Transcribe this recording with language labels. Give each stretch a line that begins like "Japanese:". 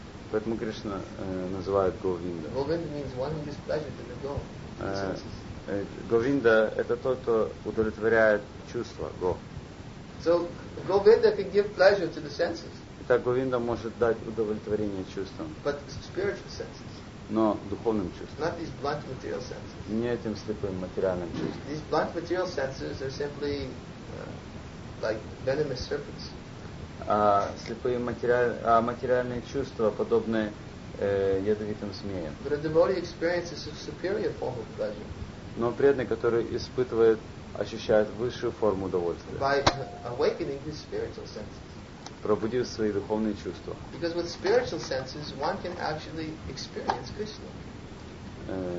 Russian: Поэтому Кришна называет Говинда.
English: Govinda means one who displeases the Go.
Russian: Говинда это тот, кто удовлетворяет чувства Go.
English: So Govinda can give pleasure to the senses.
Russian: Итак, Говинда может дать удовлетворение чувствам.
English: But spiritual senses.
Russian: Но духовным чувствам.
English: Not these blunt material senses.
Russian: Не этим слепым материальным чувствам.
English: These blunt material senses are simply like venomous serpents.
Russian: Слепые материальные чувства подобны ядовитым змеям.
English: But a devotee experiences a superior form of pleasure.
Russian: Но преданный, который испытывает, ощущает высшую форму удовольствия.
English: By awakening his spiritual senses.
Russian: Пробудив свои духовные чувства.
English: Because with spiritual senses one can actually experience Krishna.